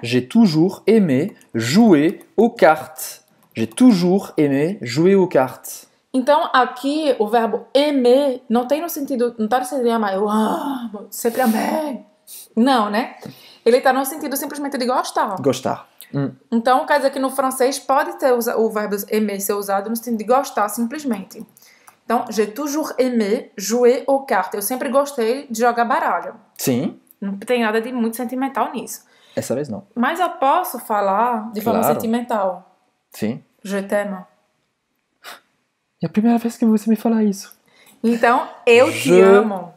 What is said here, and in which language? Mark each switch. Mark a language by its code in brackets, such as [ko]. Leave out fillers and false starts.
[fr] J'ai toujours aimé jouer aux cartes. J'ai toujours aimé jouer aux cartes. [pt] Então, aqui, o verbo aimer não tem no sentido... Não está no sentido de amar. Eu amo, sempre amei. Não, né? Ele está no sentido simplesmente de gostar. Gostar. Então, quer dizer que no francês pode ter o verbo aimer ser usado no sentido de gostar, simplesmente. Então, [fr] j'ai toujours aimé jouer aux cartes. [pt] Eu sempre gostei de jogar baralho. Sim. Não tem nada de muito sentimental nisso. Essa vez não. Mas eu posso falar de forma sentimental. Sim. [fr] Je t'aime. [pt] É a primeira vez que você me fala isso. Então, eu te [fr] je [pt] amo.